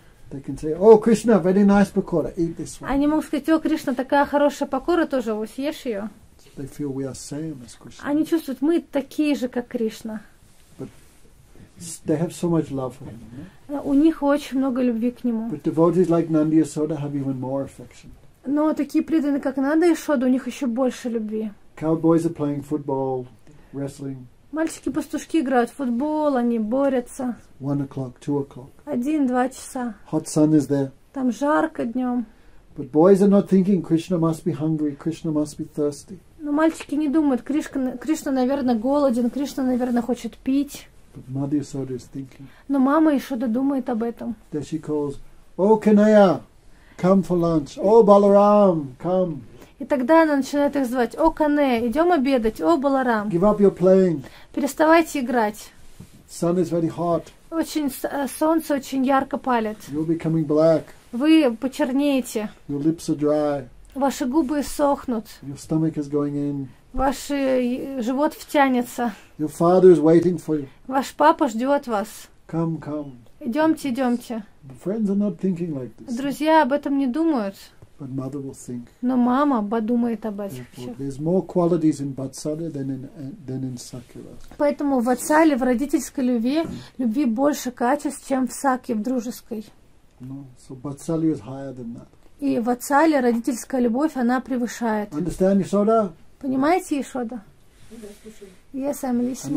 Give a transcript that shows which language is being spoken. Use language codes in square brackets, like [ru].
[en] They can say, "Oh, Krishna, very nice pakora. Eat this one." [ru] Они могут сказать: "О, Кришна, такая хорошая пакора тоже, вот съешь ее." [en] They feel we are same as Krishna. [ru] Они чувствуют, мы такие же, как Кришна. [en] They have so much love for him. [ru] У них очень много любви к нему. [en] But devotees like Nanda Yashoda have even more affection. [ru] Но такие преданные, как Нанда Яшода, у них еще больше любви. [en] Cowboys are playing football, wrestling. [ru] Мальчики-пастушки играют в футбол, они борются. [en] 1 o'clock, 2 o'clock. [ru] 1-2 часа. [en] Hot sun is there. [ru] Там жарко днем. [en] But boys are not thinking Krishna must be hungry, Krishna must be thirsty. [ru] Но мальчики не думают, Кришна, наверное, голоден, Кришна, наверное, хочет пить. [en] But Mother Yashoda is thinking. [ru] Но мама Яшода думает об этом. [en] Then she calls, "Oh, Kanaya, come for lunch. Oh, Balaram, come." [ru] И тогда она начинает их звать: "О, Канея, идем обедать. О, Баларам." [en] Give up your playing. [ru] Переставайте играть. [en] Sun is very hot. [ru] Очень солнце очень ярко палит. [en] You'll be coming black. [ru] Вы почернеете. [en] Your lips are dry. [ru] Ваши губы сохнут. [en] Your stomach is going in. [ru] Ваш живот втянется. [en] Your father is waiting for you. [ru] Ваш папа ждет вас. [en] Come, come. [ru] Идемте, идемте. [en] Friends are not thinking like this. [ru] Друзья об этом не думают. [en] But mother will think. [ru] Но мама подумает об этом. [en] There's more qualities in Vatsala than in Sakyara. [ru] Поэтому в Ватсале, в родительской любви больше качеств, чем в Сакье, в дружеской. [en] No, so Vatsala is higher than that. [ru] И в Ватсале родительская любовь, она превышает. [en] Understand, Yashoda? [ru] Понимаете, Яшода? [en] Yes, I'm listening.